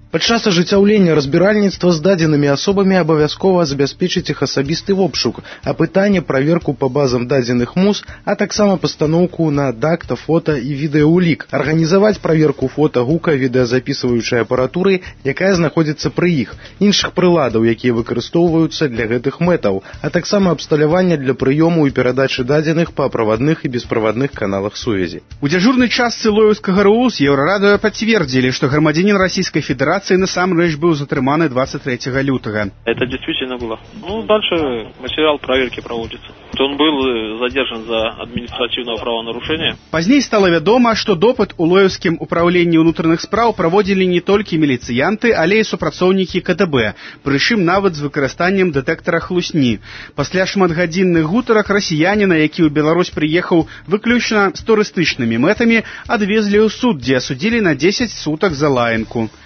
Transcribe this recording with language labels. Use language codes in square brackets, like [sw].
[be] Падчас ажыццяўлення разбіральніцтва з дадзенымі асобамі абавязкова забяспечыць іх асабісты вопшук, апытанне, праверку па базам дадзеных МУС, а таксама пастаноўку на дакта, фота і відэаулік, арганізаваць праверку фота, гука, відэазапісваючай апаратуры, якая знаходзіцца пры іх, іншых прыладаў, якія выкарыстоўваюцца для гэтых мэтаў, а таксама абсталяванне для прыёму і перадачы дадзеных па правадных і бесправадных каналах сувязі. У дзяжурнай частцы Лоеўскага РУС Еўрарадыё пацвердзілі, што грамадзянін Расійскай Федэрацыі насамрэч быў затрыманы 23 лютага. [ru] Это действительно было. Ну, дальше материал проверки проводится. Он был задержан за административное правонарушение. [be] Пазней стало вядома, што допыт у Лоеўскім управленні ўнутраных спраў праводзілі не толькі міліцыянты, але і супрацоўнікі КДБ, прычым нават з выкарыстаннем дэтэктара хлусні. Пасля шматгадзінных гутарак расіяніна, які ў Беларусь прыехаў выключна з турыстычнымі мэтамі, адвезлі ў суд, дзе асудзілі на 10 сутак за лаянку.